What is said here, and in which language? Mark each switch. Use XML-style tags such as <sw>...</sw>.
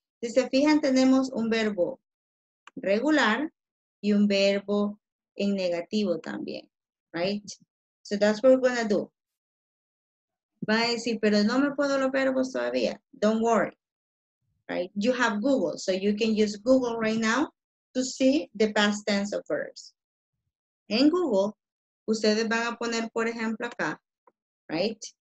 <es>Si se fijan, tenemos un verbo regular y un verbo en negativo también, right?</es> <en>So that's what we're going to do.</en> <es>Va a decir, pero no me puedo los verbos todavía.</es> <en>Don't worry, right? You have Google, so you can use Google right now to see the past tense of verbs.</en> <es>En Google, ustedes van a poner, por ejemplo, acá, right?</es>